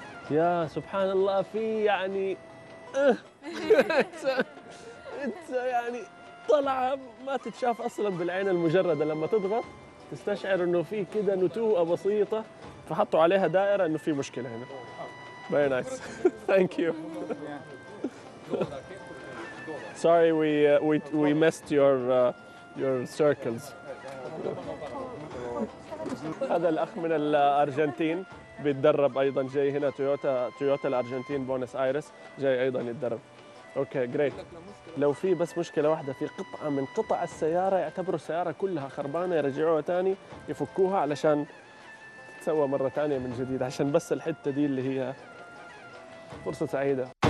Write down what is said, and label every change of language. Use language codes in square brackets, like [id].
[ar] Yeah, سبحان الله في يعني انت يعني طلعة ما تتشاف أصلا بالعين المجردة لما تضغط تستشعر إنه في كده نتوءة بسيطة فحطوا عليها دائرة إنه في مشكلة هنا. [en] Very nice. Thank you. Sorry, we missed your circles. [ar] هذا الأخ من الأرجنتين بيتدرب أيضا جاي هنا تويوتا الأرجنتين بونس آيرس جاي أيضا يتدرب. [en] Okay, great. [ar] لو في بس مشكلة واحدة في قطعة من قطع السيارة يعتبروا السيارة كلها خربانة يرجعوها تاني يفكوها علشان تسوى مرة تانية من جديد عشان بس الحتة دي اللي هي فرصة سعيدة